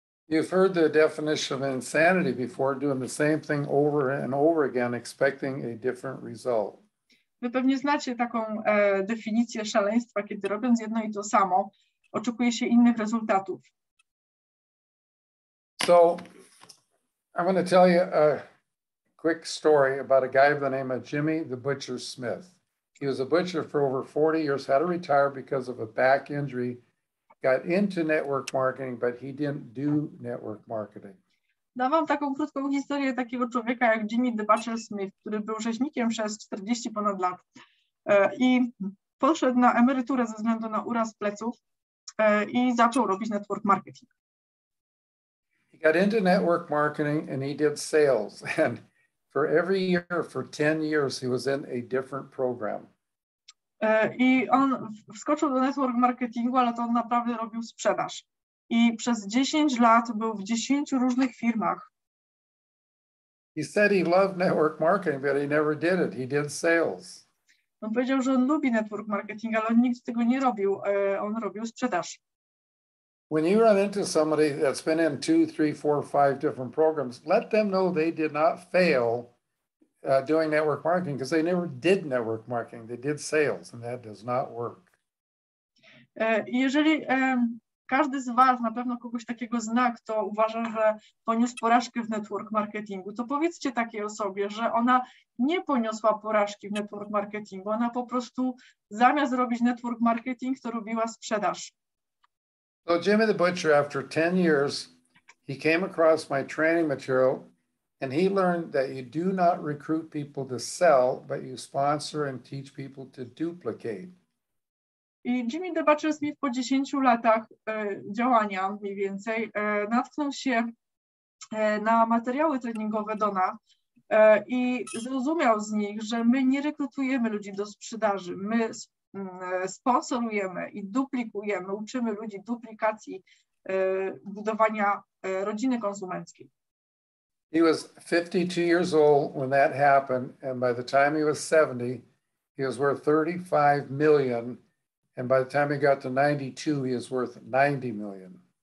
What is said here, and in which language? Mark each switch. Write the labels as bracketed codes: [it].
[en] You've heard the definition of insanity before, doing the same thing over and over again, expecting a different result. [pl] Wy pewnie znacie taką definicję szaleństwa, kiedy robiąc jedno i to samo, oczekuje się innych rezultatów. [en] So, I'm going to tell you a quick story about a guy by the name of Jimmy the Butcher Smith. He was a butcher for over 40 years, had to retire because of a back injury, got into network marketing, but he didn't do network marketing. [pl] Dam wam taką krótką historię takiego człowieka jak Jimmy the Butcher Smith, który był rzeźnikiem przez 40 ponad lat i poszedł na emeryturę ze względu na uraz pleców i zaczął robić network marketing. [en] He got into network marketing and he did sales. And for every year, for 10 years, he was in a different program. [pl] I on wskoczył do network marketingu, ale to on naprawdę robił sprzedaż. I przez 10 lat był w 10 różnych firmach. [en] He said he loved network marketing, but he never did it. He did sales. [pl] On powiedział, że on lubi network marketing, ale on nigdy tego nie robił. On robił sprzedaż. [en] When you run into somebody that's been in 2, 3, 4, 5 different programs, let them know they did not fail doing network marketing because they never did network marketing. They did sales and that does not work. [pl] Jeżeli każdy z was na pewno kogoś takiego zna, kto uważa, że poniósł porażkę w network marketingu, to powiedzcie takiej osobie, że ona nie poniosła porażki w network marketingu. Ona po prostu zamiast robić network marketing, to robiła sprzedaż. [en] So Jimmy the Butcher, after 10 years, he came across my training material and he learned that you do not recruit people to sell, but you sponsor and teach people to duplicate. [pl] I Jimmy the Butcher Smith po 10 latach działania mniej więcej natknął się na materiały treningowe Dona i zrozumiał z nich, że my nie rekrutujemy ludzi do sprzedaży, my sponsorujemy i duplikujemy, uczymy ludzi duplikacji budowania rodziny konsumenckiej. [en] He was 52 years old when that happened, and by the time he was 70, he was worth 35 million, and by the time he got to 92, he was worth 90 million.